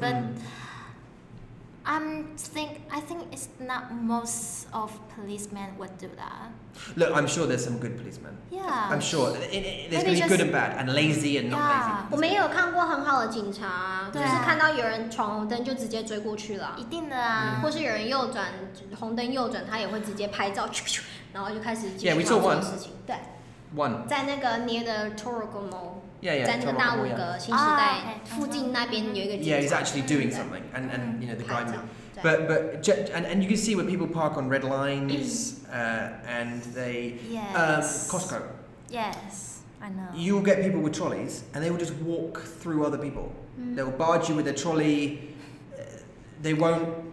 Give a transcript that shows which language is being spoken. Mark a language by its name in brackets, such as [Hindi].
[English] But I think it's not most of policemen would do that. Look, I'm sure there's some good policemen. Yeah. I'm sure there's going to be good and bad and lazy and not yeah. lazy. [Chinese] 我没有看过很好的警察，就是看到有人闯红灯就直接追过去了。一定的啊。或是有人右转红灯右转，他也会直接拍照，然后就开始继续做事情。 [English] Yeah, we saw one. [Chinese] 对。 [English] One. [Chinese] 在那个 [English] near the Toroko Mall. Yeah, yeah. [Chinese] 在那个大陆阁新时代附近那边有一个警察。 [English] Yeah, he's actually doing something. And you know, the guy... [Chinese] 拍照, [English] but and you can see where people park on red lines, and they... Yes. Costco. Yes, I know. You'll get people with trolleys, and they will just walk through other people. Mm. They'll barge you with a trolley. They won't...